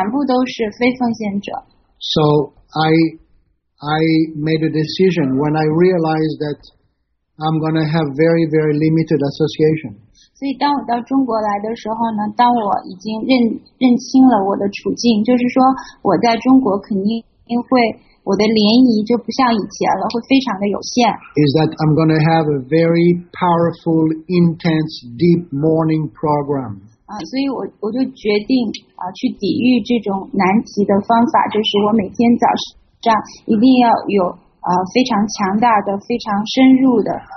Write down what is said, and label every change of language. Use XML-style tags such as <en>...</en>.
<zh>就是我之前呢，有35年的这个时间，都是在国外，就是围绕着这个庙宇的这样的一种生活。但是呢，在过去的10年当中，我就是在中国住在一个小的一个公寓房里面，周围的公寓楼里，那周围全部都是非奉献者。</zh> <en>So I made a decision when I realized that I'm going to have very, very limited association.</en> <zh>所以当我到中国来的时候呢，当我已经认清了我的处境，就是说我在中国肯定会我的涟漪就不像以前了，会非常的有限。</zh> <en>Is that I'm going to have a very powerful, intense, deep mourning program.</en> <zh>所以我就决定去抵御这种难题的方法，就是我每天早上一定要有非常强大的、非常深入的。</zh>